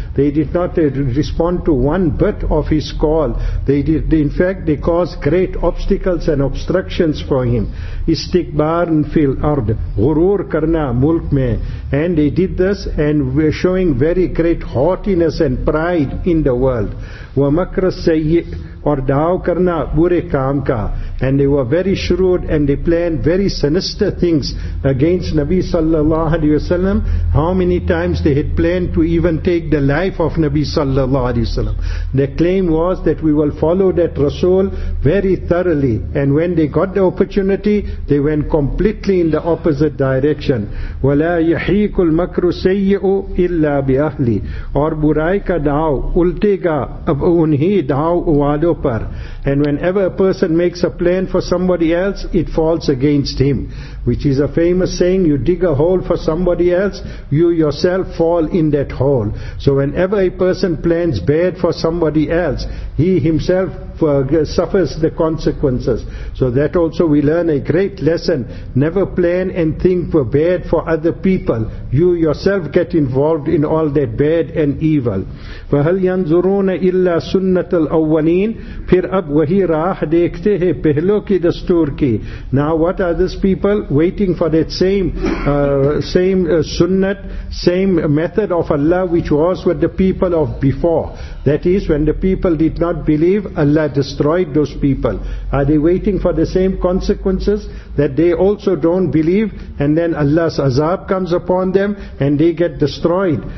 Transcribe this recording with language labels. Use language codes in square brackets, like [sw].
[en] They did not respond to one bit of his call. They did, in fact, they caused great obstacles and obstructions for him. [ar] استقبار فی الارض, [ur] غرور کرنا ملک میں. [en] And they did this and were showing very great haughtiness and pride in the world. [ar] وَمَكْرَ السَّيِّئِ, [ur] اور داؤ کرنا برے کام کا. [en] And they were very shrewd and they planned very sinister things against Nabi sallallahu alaihi wasallam. How many times they had planned to even take the life of Nabi sallallahu alaihi wasallam. Their claim was that we will follow that Rasul very thoroughly. And when they got the opportunity, they went completely in the opposite direction. [ar] وَلَا يَحِيكُ الْمَكْرُ سَيِّئُ إِلَّا بِأَهْلِ, [ur] اور برائی کا داؤ الٹے گا اب انہی داؤ والوں پر. [en] And whenever a person makes a plan for somebody else, it falls against him. Which is a famous saying, you dig a hole for somebody else, you yourself fall in that hole. So whenever a person plans bad for somebody else, he himself suffers the consequences. So that also we learn a great lesson. Never plan and think for bad for other people. You yourself get involved in all that bad and evil. [ar] فَهَلْ يَنْظُرُونَ إِلَّا سُنَّةَ الْأَوَّلِينَ, [ur] پھر اب وہی راہ دیکھتے ہیں پہلوں کی دستور کی. [en] Now what are these people waiting for? That same sunnat, same method of Allah which was with the people of before. That is, when the people did not believe, Allah destroyed those people. Are they waiting for the same consequences? that they also don't believe, and then Allah's azab comes upon them and they get destroyed.